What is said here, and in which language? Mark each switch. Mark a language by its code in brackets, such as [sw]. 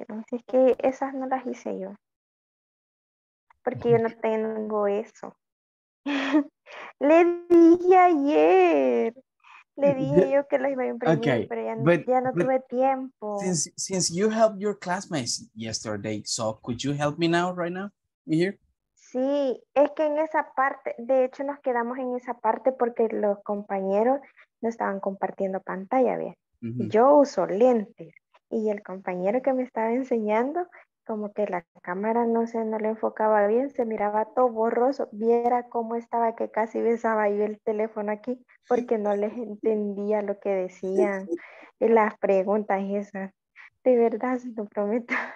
[es] Es que esas no las hice yo. Porque yo no tengo eso. Le dije ayer. Le dije yo que los iba a imprimir, okay, pero ya no tuve tiempo. [en] Since you helped your classmates yesterday, so could you help me now, right now, here? [es] Sí, es que en esa parte, de hecho nos quedamos en esa parte porque los compañeros no estaban compartiendo pantalla, ¿ves? Uh-huh. Yo uso lentes y el compañero que me estaba enseñando, como que la cámara, no sé, no le enfocaba bien, se miraba todo borroso, viera cómo estaba, que casi besaba yo el teléfono aquí, porque no les entendía lo que decían, y las preguntas esas, de verdad, se lo prometo.